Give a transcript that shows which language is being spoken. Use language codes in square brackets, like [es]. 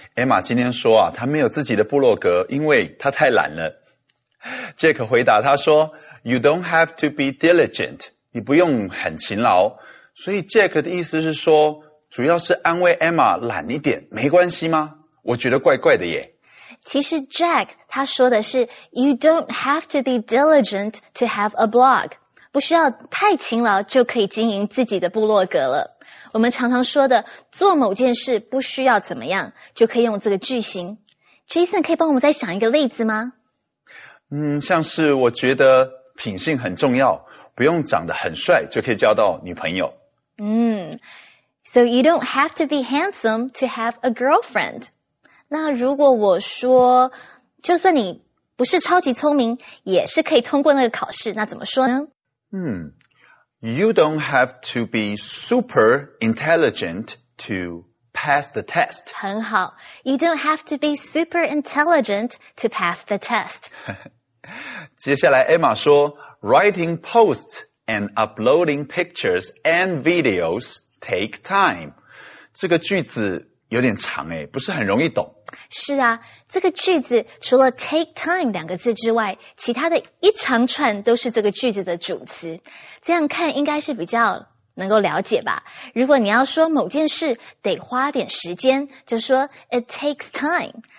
[zh] Emma 今天说啊，她没有自己的部落格，因为她太懒了。 [en] Jack [zh] 回答她说 [en] ,You don't have to be diligent. [zh] 你不用很勤劳。所以 Jack 的意思是说，主要是安慰 Emma 懒一点没关系吗？我觉得怪怪的耶。其实 Jack 他说的是 [en] You don't have to be diligent to have a blog. [zh] 不需要太勤劳就可以经营自己的部落格了。我们常常说的做某件事不需要怎么样就可以用这个句型。 Jason 可以帮我们再想一个例子吗？像是我觉得品性很重要，不用长得很帅就可以交到女朋友。 [en] So you don't have to be handsome to have a girlfriend. [zh] 那如果我说就算你不是超级聪明也是可以通过那个考试，那怎么说呢？ [en] You don't have to be super intelligent to pass the test. [zh] 很好。 [en] You don't have to be super intelligent to pass the test. [zh] 接下来 Emma 说 [en] writing posts and uploading pictures and videos,Take time. [zh] 这个句子有点长诶，不是很容易懂。是啊，这个句子除了 take time 两个字之外，其他的一长串都是这个句子的主词。这样看应该是比较能够了解吧。如果你要说某件事得花点时间，就说 [en] it takes time。